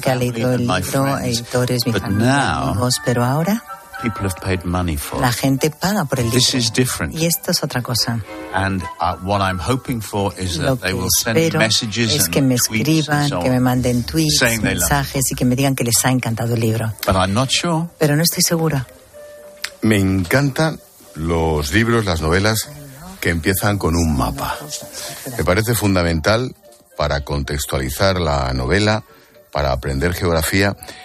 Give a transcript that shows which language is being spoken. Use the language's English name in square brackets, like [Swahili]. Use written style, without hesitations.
[Spanish] que ha leído el libro, editores, mi familia, amigos, pero ahora. [English] People have paid money for. [Spanish] La gente paga por el libro. [English] This is different. [Spanish] Y esto es otra cosa. [English] And what I'm hoping for is that they will send messages [Spanish] es que [English] and [Spanish] me escriban, [English] and so on, [Spanish] que me manden tweets, mensajes y que me digan que les ha encantado el libro. [English] But I'm not sure. [Spanish] Pero no estoy segura. Me encantan los libros, las novelas que empiezan con un mapa. Me parece fundamental para contextualizar la novela, para aprender geografía.